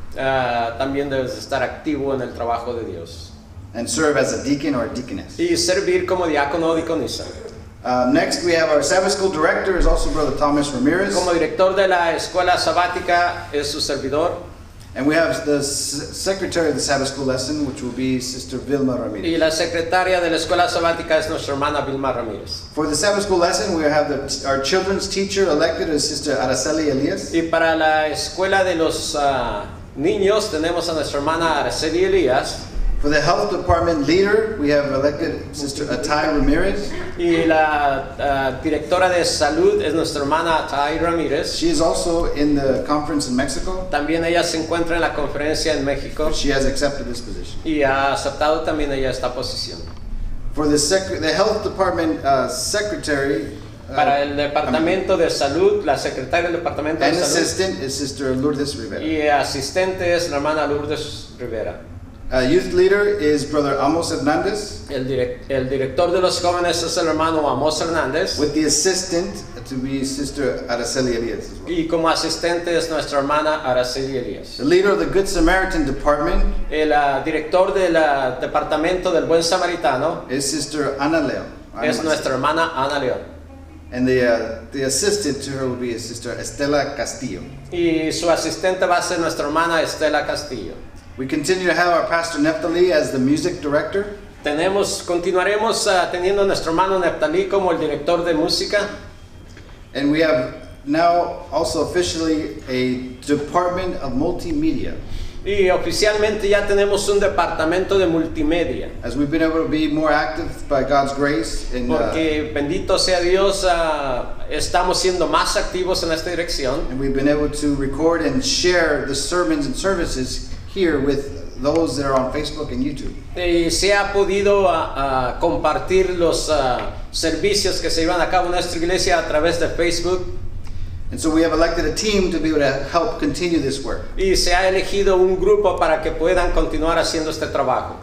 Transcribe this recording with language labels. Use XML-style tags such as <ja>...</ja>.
<es>También debes estar activo en el trabajo de Dios.</es> <en>And serve as a deacon or a deaconess.</en> <es>Y servir como diácono o diaconisa.</es> <en>Next, we have our Sabbath school director is also Brother Thomas Ramirez.</en> <es>Como director de la escuela sabática es su servidor.</es> <en>And we have the secretary of the Sabbath school lesson, which will be Sister Vilma Ramirez.</en> <es>Y la secretaria de la escuela sabática es nuestra hermana Vilma Ramirez.</es> <en>For the Sabbath school lesson, we have our children's teacher elected is Sister Araceli Elias.</en> <es>Y para la escuela de los niños tenemos a nuestra hermana Araceli Elias.</es> <en>For the health department leader, we have elected Sister Atai Ramirez.</en> <es>Y la directora de salud es nuestra hermana Atai Ramirez.</es> <en>She is also in the conference in Mexico.</en> <es>También ella se encuentra en la conferencia en México.</es> <en>She has accepted this position.</en> <es>Y ha aceptado también ella esta posición.</es> <en>For the health department secretary.</en> <es>Para el departamento de salud, la secretaria del departamento de salud.</es> <en>And assistant is Sister Lourdes Rivera.</en> <es>Y asistente es la hermana Lourdes Rivera.</es> <en>Youth leader is Brother Amos Hernandez.</en> <es>El director de los jóvenes es el hermano Amos Hernandez.</es> <en>With the assistant to be Sister Araceli Elias as well.</en> <es>Y como asistente es nuestra hermana Araceli Elias.</es> <en>The leader of the Good Samaritan department.</en> <es>El director del departamento del Buen Samaritano.</es> <en>Is Sister Ana León.</en> <es>Es nuestra hermana Ana León.</es> <en>And the assistant to her will be Sister Estela Castillo.</en> <es>Y su asistente va a ser nuestra hermana Estela Castillo.</es> <en>We continue to have our Pastor Neftali as the music director.</en> <es>Continuaremos teniendo nuestro hermano Neftali como el director de música.</es> <en>And we have now also officially a department of multimedia.</en> <es>Y oficialmente ya tenemos un departamento de multimedia.</es> <en>As we've been able to be more active by God's grace.</en> <es>Porque bendito sea Dios, estamos siendo más activos en esta dirección.</es> <en>And we've been able to record and share the sermons and services here with those that are on Facebook and YouTube.</en> <es>Y se ha podido compartir los servicios que se llevan a cabo en nuestra iglesia a través de Facebook.</es> <en>And so we have elected a team to be able to help continue this work.</en> <es>Y se ha elegido un grupo para que puedan continuar haciendo este trabajo.</es>